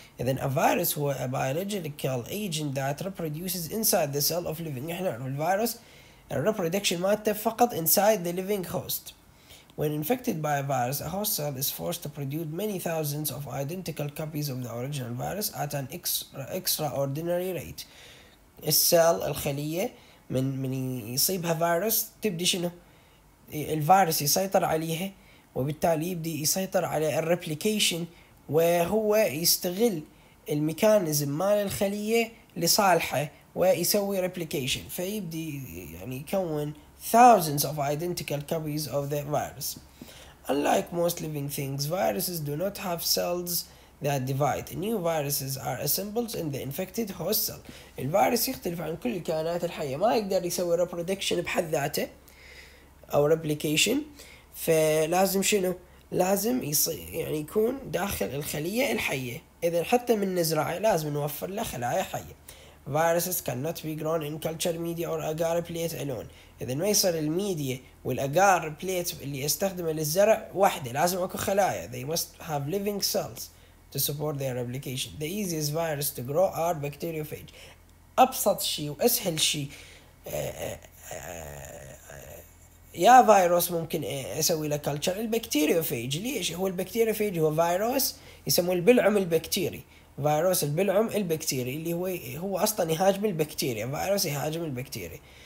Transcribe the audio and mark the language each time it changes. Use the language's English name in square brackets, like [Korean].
[English] إذا a virus هو a biological agent that reproduces inside the cell of living. [Arabic] إحنا نعرف الفيروس reproduction مالته فقط [English] inside the living host. When infected by a virus, a host cell is forced to produce many thousands of identical copies of the original virus at an extraordinary rate. [Arabic] السيل الخلية من يصيبها فيروس تبدي شنو؟ الفيروس يسيطر عليها، وبالتالي يبدي يسيطر على الريبليكيشن، وهو يستغل الميكانيزم مال الخلية لصالحه ويسوي ريبليكيشن، فيبدي يعني يكون [English] thousands of identical copies of the virus. Unlike most living things, viruses do not have cells that divide. New viruses are assembled in the infected host cell. [Arabic] الفيروس يختلف عن كل الكائنات الحية، ما يقدر يسوي reproduction بحد ذاته أو replication، فلازم شنو؟ لازم يعني يكون داخل الخلية الحية. إذا حتى من نزرع لازم نوفر له خلايا حية. [English] Viruses cannot be grown in culture media or agar plate alone. [Arabic] إذا ما يصير الميديا والأجار بليت اللي يستخدمه للزرع وحده، لازم أكو خلايا. [English] They must have living cells to support their replication. The easiest virus to grow are bacteriophage. [Arabic] أبسط شيء وأسهل شيء يا فيروس ممكن اسوي له كلتشر البكتيريوفيج. ليش؟ هو البكتيريوفيج هو فيروس يسموه البلعم البكتيري، فيروس البلعم البكتيري اللي هو اصلا يهاجم البكتيريا، فيروس يهاجم البكتيريا.